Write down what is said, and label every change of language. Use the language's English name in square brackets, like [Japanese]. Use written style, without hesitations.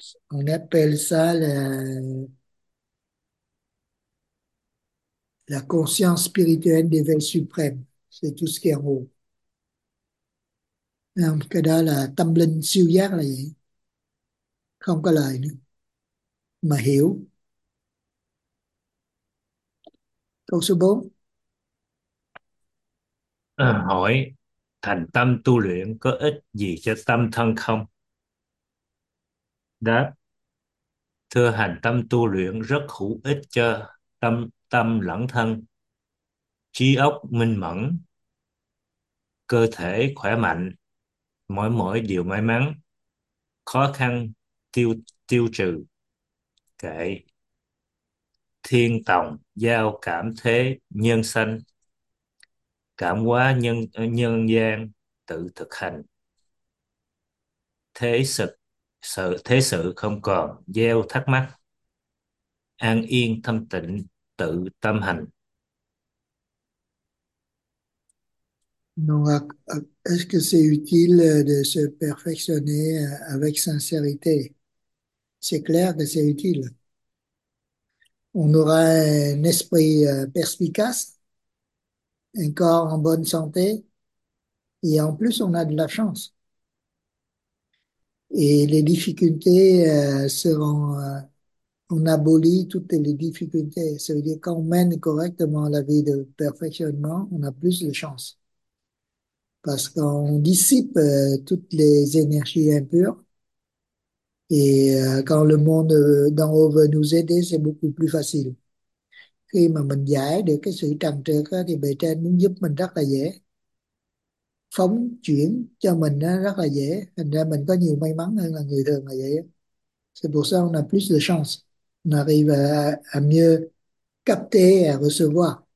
[French] On appelle ça la conscience spirituelle d'éveil suprême, c'est tout ce qui est en haut. [Vietnamese] Cái đó là tâm linh siêu giác là gì? Không có lời nữa. Mà hiểu. Câu số 4. Hỏi thành tâm tu luyện có ích gì cho tâm thân không? Đáp: Thưa, hành tâm tu luyện rất hữu ích cho tâm tâm lẫn thân, trí óc minh mẫn, cơ thể khỏe mạnh, mọi mọi điều may mắn, khó khăn tiêu tiêu trừ, kệ thiên tòng giao cảm thế nhân sanh, cảm hóa nhân gian tự thực hành, thế sự không còn gieo thắc mắc, an yên thâm tịnh tự tâm hành. [French] Donc, est-ce que c'est utile de se perfectionner avec sincérité? C'est clair que c'est utile. On aura un esprit perspicace, un corps en bonne santé, et en plus, on a de la chance. Et les difficultés seront on abolit toutes les difficultés. Ça veut dire quand on mène correctement la vie de perfectionnement, on a plus de chance. Parce qu'on dissipe toutes les énergies impures. Et quand le monde d'en haut veut nous aider, c'est beaucoup plus facile. [Vietnamese] Khi mà mình giải được cái sự trần trược á, thì bề trên muốn giúp mình rất là dễ. Phóng chuyển cho mình á, rất là dễ. Thành ra mình có nhiều may mắn hơn là người thường là vậy. [French] C'est pour ça on a plus de chance. On arrive à mieux capter et à recevoir.